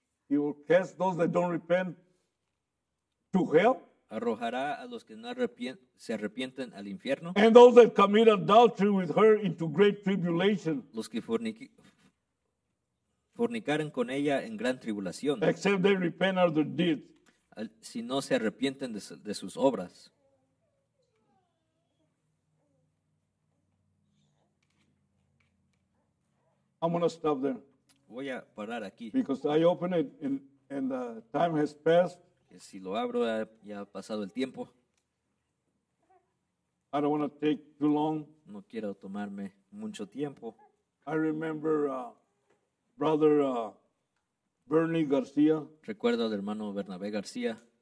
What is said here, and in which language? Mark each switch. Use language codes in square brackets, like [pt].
[en] He will cast those that don't repent to hell. [es] Arrojará a los que no se arrepienten al infierno. [en] And those that commit adultery with her into great tribulation. [es] Los que fornicaren con ella en gran tribulación. [en] Except they repent of their deeds. [es] Si no se arrepienten de sus obras. [en] I'm going to stop there. [es] Voy a parar aquí. [en] Because I open it and the time has passed. [es] Si lo abro, ya ha pasado el tiempo. [en] I don't want to take too long. [es] No quiero tomarme mucho tiempo. [en] I remember brother Bernie García. [es] Recuerdo al hermano Bernabé García.